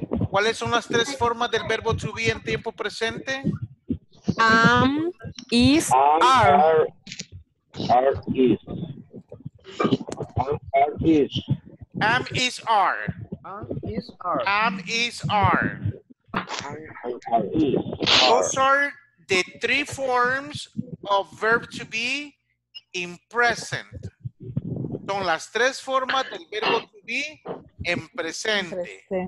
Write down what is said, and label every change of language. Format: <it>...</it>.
<es>¿Cuáles son las tres formas del verbo to be en tiempo presente?</es> <en>Is, are. Those are the three forms of verb to be in present.</en> <es>Son las tres formas del verbo to be en presente.</es>